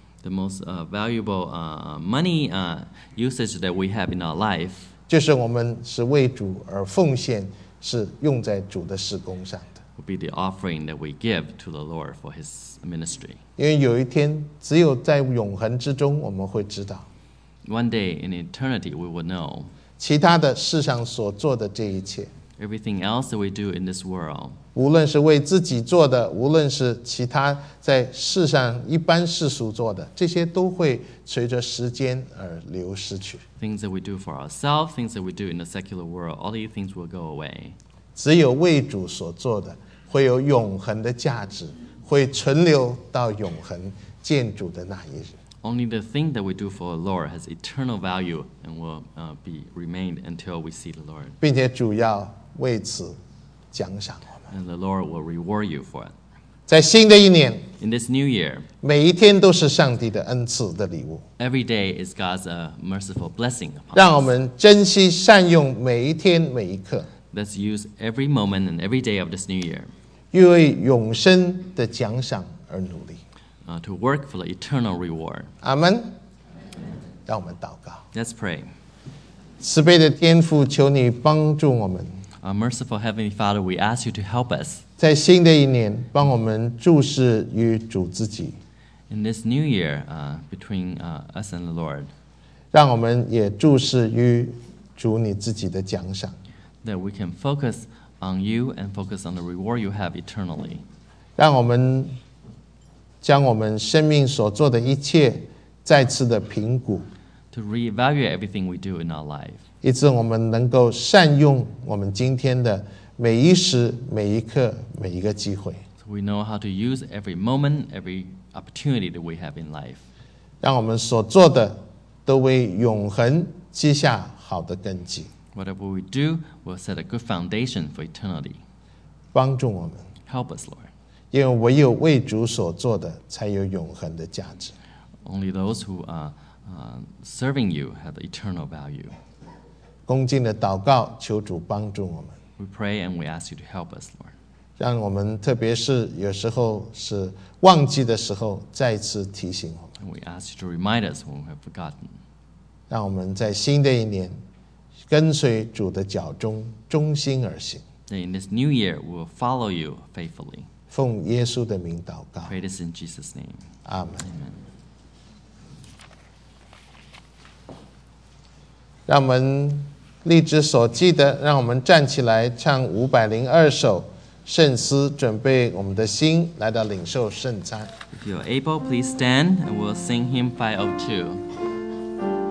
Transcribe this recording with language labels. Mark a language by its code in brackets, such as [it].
[en] The most valuable money usage that we have in our life. [zh] 就是我们是为主而奉献，是用在主的事工上。 [en] Will be the offering that we give to the Lord for His ministry. [zh] 因为有一天，只有在永恒之中，我们会知道。 [en] One day in eternity, we will know. [zh] 其他的世上所做的这一切 [en] ，everything else that we do in this world， [zh] 无论是为自己做的，无论是其他在世上一般世俗做的，这些都会随着时间而流失去。 [en] Things that we do for ourselves, things that we do in the secular world, all these things will go away. [zh] 只有为主所做的会有永恒的价值，会存留到永恒见主的那一日。 [en] Only the thing that we do for the Lord has eternal value and will be remained until we see the Lord. [zh] 并且主要为此奖赏我们。 [en] And the Lord will reward you for it. [zh] 在新的一年 [en] ，In this new year， [zh] 每一天都是上帝的恩赐的礼物。 [en] Every day is God's merciful blessing upon us. [zh] 让我们珍惜善用每一天每一刻。 [en] Let's use every moment and every day of this new year. [zh] 又为永生的奖赏而努力。 [en] To work for the eternal reward. [zh] 阿们。让我们祷告。 [en] Let's pray. [zh] 慈悲的天父，求你帮助我们。 [en] Our merciful Heavenly Father, we ask you to help us. [zh] 在新的一年，帮我们注视于主自己。 [en] in this new year, between us and the Lord. [zh] 让我们也注视于主你自己的奖赏。 [en] That we can focus on you and focus on the reward you have eternally. [zh] 让我们将我们生命所做的一切再次的评估。 [en] To reevaluate everything we do in our life. [zh] 以致我们能够善用我们今天的每一时每一刻每一个机会。 [en] So we know how to use every moment, every opportunity that we have in life. [zh] 让我们所做的都为永恒积下好的根基。 [en] Whatever we do will set a good foundation for eternity. [zh] 帮助我们。 [en] Help us, Lord. [zh] 因为唯有为主所做的才有永恒的价值。 [en] Only those who are serving you have eternal value. [zh] 恭敬的祷告，求主帮助我们。 [en] We pray and we ask you to help us, Lord. [zh] 让我们特别是有时候是忘记的时候，再次提醒我们。 [en] And we ask you to remind us when we have forgotten. [zh] 让我们在新的一年跟随主的脚中忠心而行。 [en] Then in this new year, we will follow you faithfully. [zh] 奉耶稣的名祷告。 [en] Pray this in Jesus' name. Amen. Amen. [zh] 让我们立志所记的，让我们站起来唱502首圣诗，准备我们的心来到领受圣餐。 [en] If you are able, please stand and we'll sing hymn 502.